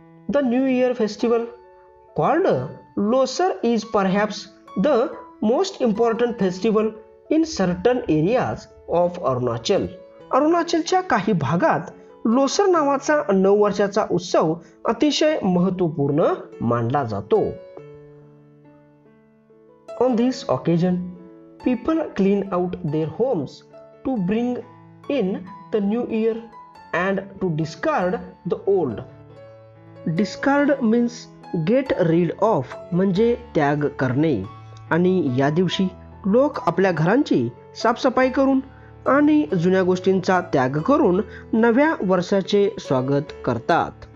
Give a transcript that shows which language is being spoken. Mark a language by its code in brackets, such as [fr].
[en] The new year festival called Losar is perhaps the most important festival in certain areas of Arunachal. [mr] अरुणाचलच्या काही भागात लोसर नावाचा 9 वर्षाचा उत्सव अतिशय महत्वपूर्ण मानला जातो. [en] On this occasion people clean out their homes to bring in the new year and to discard the old. Discard means get rid of, [mr] म्हणजे त्याग करणे. आणि या दिवशी लोक आपल्या घरांची साफसफाई करून आणि जुन्या गोष्टींचा त्याग करून नव्या वर्षाचे स्वागत करतात.